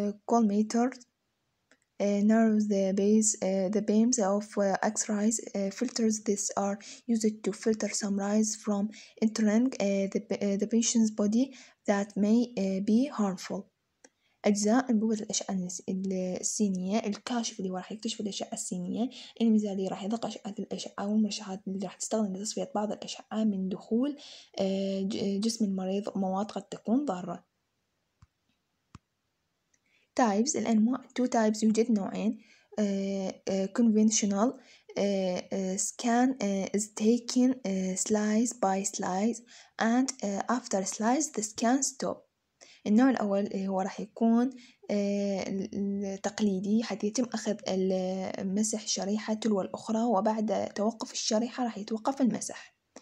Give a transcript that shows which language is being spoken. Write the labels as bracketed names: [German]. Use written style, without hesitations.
[English] Collimator narrows the base the beams of X-rays. Filters this are used to filter some rays from entering the patient's body that may be harmful. [Arabic] أجزاء أنبوبة الأشعة السينية، الكاشف اللي راح يكتشف الأشعة السينية، الميزالي راح يضغط أشعة الأشعة، والمرشحات اللي راح تستخدم لتصفية بعض الأشعة من دخول جسم المريض مواد قد تكون ضارة. [English] Types [Arabic] الأنواع [English] two types [Arabic] يوجد نوعين. [English] Conventional scan is taken slice by slice and after slice the scan stop. [Arabic] النوع الأول هو راح يكون التقليدي، حيث يتم أخذ المسح شريحة تلو الأخرى وبعد توقف الشريحة راح يتوقف المسح.